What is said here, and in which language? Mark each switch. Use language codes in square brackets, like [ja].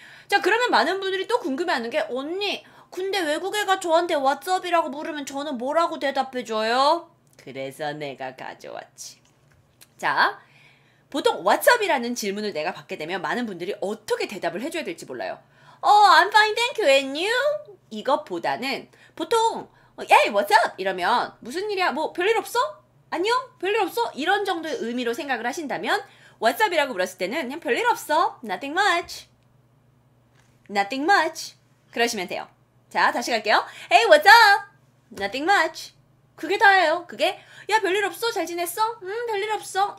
[ko] 자, 그러면 많은 분들이 또 궁금해하는 게 언니, 근데 외국애가 저한테 [en] what's up [ko] 이라고 물으면 저는 뭐라고 대답해줘요? 그래서 내가 가져왔지. 자, 보통 [en] what's up [ko] 이라는 질문을 내가 받게 되면 많은 분들이 어떻게 대답을 해줘야 될지 몰라요. [en] I'm fine, thank you, and you? [ko] 이것보다는 보통 [en] Hey, what's up? [ko] 이러면 무슨 일이야? 뭐 별일 없어? 안녕? 별일 없어? 이런 정도의 의미로 생각을 하신다면 [en] What's up [ko] 이라고 물었을 때는 그냥 별일 없어. [en] Nothing much. Nothing much. [ko] 그러시면 돼요. 자, 다시 갈게요. [en] Hey, what's up? Nothing much. [ko] 그게 다예요. 그게 야, 별일 없어? 잘 지냈어? 별일 없어?